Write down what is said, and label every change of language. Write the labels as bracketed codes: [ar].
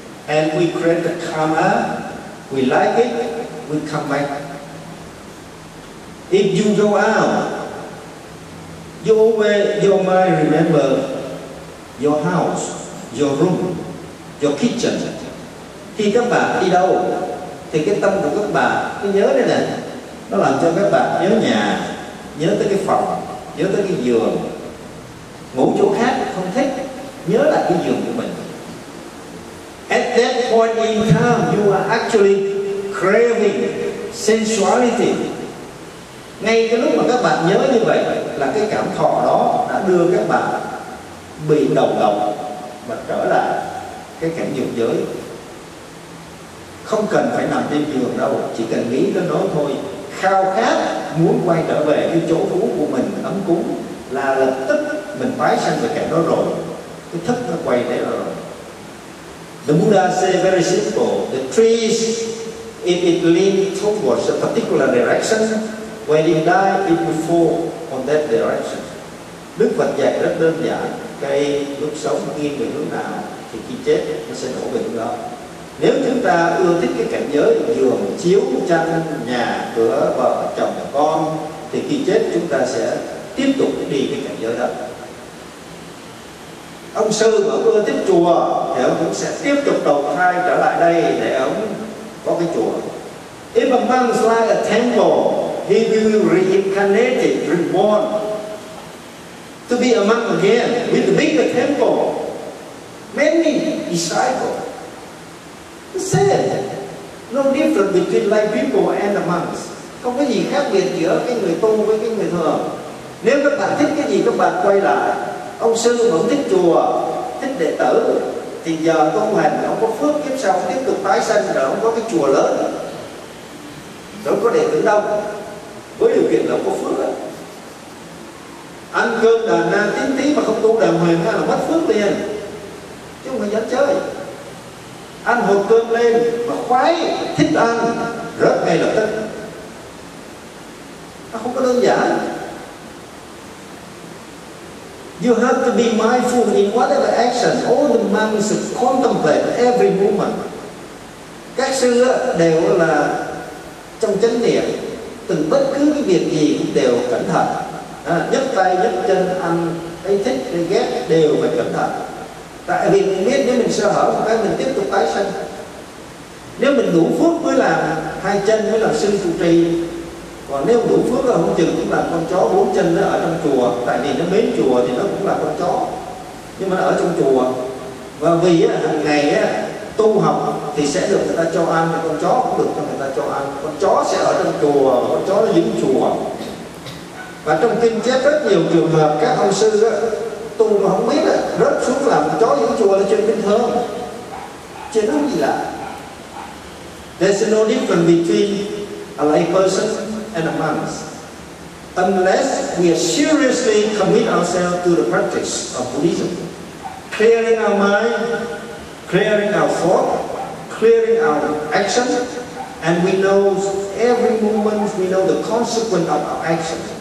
[en] And we create the karma, we like it, we come back. If you go out, your mind remember your house, your room, your kitchen. [vi] Khi các bạn đi đâu, thì cái tâm của các bạn, cái nhớ đây nè, nó làm cho các bạn nhớ nhà, nhớ tới cái phòng, nhớ tới cái giường. Ngủ chỗ khác không thích, nhớ lại cái giường của mình. [en] At that point in time, you are actually craving sensuality. [vi] Ngay cái lúc mà các bạn nhớ như vậy, là cái cảm thọ đó đã đưa các bạn bị đầu độc và trở lại cái cảnh dục giới. Không cần phải nằm trên giường đâu, chỉ cần nghĩ đến nó thôi. Khao khát muốn quay trở về cái chỗ cũ của mình ấm cúng là lập tức mình bái sanh về cảnh đó rồi, cái thức nó quay đấy rồi. [en] The Buddha say very simple: the trees, if it lean towards a particular direction, when it die, it will fall on that direction. [vi] Đức Phật dạy rất đơn giản: cây lúc sống nghiêng về hướng nào thì khi chết nó sẽ đổ về hướng đó. Nếu chúng ta ưa thích cái cảnh giới giường chiếu tranh nhà cửa vợ chồng con thì khi chết chúng ta sẽ tiếp tục đi cái cảnh giới đó. Ông sư mà ưa thích chùa thì ông cũng sẽ tiếp tục đầu thai trở lại đây để ông có cái chùa. [en] If a monk's like a temple, he will reincarnate, reborn to be a monk again with the bigger temple, many disciples. The same, no difference between lay people and the monks. [vi] Không có gì khác biệt giữa cái người tu với cái người thường. Nếu các bạn thích cái gì các bạn quay lại. Ông sư vẫn thích chùa, thích đệ tử, thì giờ tu hành ông có phước kiếp sau tiếp tục tái sanh rồi ông có cái chùa lớn, đâu có đệ tử đâu, với điều kiện là ông có phước đó. Ăn cơm đàn na tín tí mà không tu đàng hoàng là mất phước liền, chứ không phải dám chơi. Ăn hộp cơm lên mà khoái thích ăn rớt ngay lập tức, nó không có đơn giản. [en] You have to be mindful in whatever action. All the monks contemplate every moment. [vi] Các sư đều là trong chánh niệm, từng bất cứ cái việc gì cũng đều cẩn thận. À, nhấc tay, nhấc chân, ăn, ấy thích, ấy ghét, đều phải cẩn thận. Tại vì mình biết nếu mình sơ hở, mình tiếp tục tái sanh. Nếu mình đủ phước mới làm hai chân mới làm sư trụ trì. Còn nếu đủ phước là không chừng cũng làm con chó bốn chân đó ở trong chùa. Tại vì nó mến chùa thì nó cũng là con chó, nhưng mà nó ở trong chùa. Và vì hằng ngày tu học thì sẽ được người ta cho ăn, thì con chó cũng được cho người ta cho ăn. Con chó sẽ ở trong chùa, con chó giữ chùa. Và trong kinh chép rất nhiều trường hợp các ông sư tu mà không biết rớt xuống làm chó giữ chùa là chuyện bình thường, chuyện không gì lạ. [en] There's no difference between a lay person and a monk unless we are seriously commit ourselves to the practice of Buddhism, clearing our mind, clearing our thought, clearing our action, and we know every moment, we know the consequence of our action.